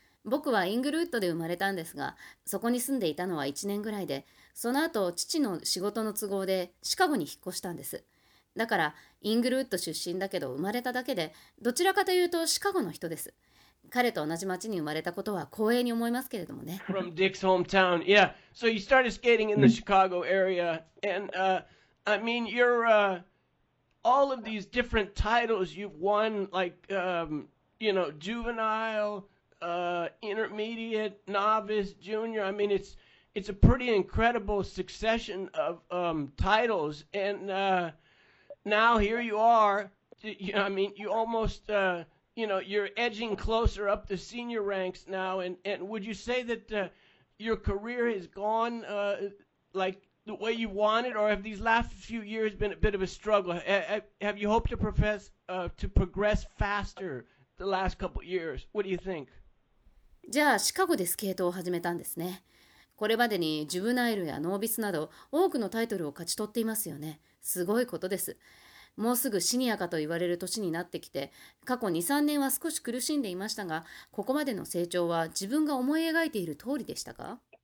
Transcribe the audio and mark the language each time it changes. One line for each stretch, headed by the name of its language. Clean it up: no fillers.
Japanese: 僕はイングルウッドで生まれたんですが、そこに住んでいたのは1年ぐらいで、その後父の仕事の都合でシカゴに引っ越したんです。だからイングルウッド出身だけど生まれただけで、どちらかというとシカゴの人です。彼と同じ町に生まれたことは光栄に思いますけれどもね。
English: From Dick's hometown. Yeah. So you started skating in the Chicago area. And I mean, you're all of these different titles you've won, like, you know, juvenile, intermediate, novice, junior. I mean, it's a pretty incredible succession of titles. And now here you are. I mean, you almost, you know, you're edging closer up the senior ranks now. And would you say that your career has gone like the way you wanted, or have these last few years been a bit of a struggle? Have you hoped to progress faster the last couple of years? What do you think?
Japanese: じゃあシカゴでスケートを始めたんですね。これまでにジュブナイルやノービスなど多くのタイトルを勝ち取っていますよね。すごいことです。もうすぐシニアかと言われる年になってきて、過去 2,3 年は少し苦しんでいましたが、ここまでの成長は自分が思い描いている通りでしたか？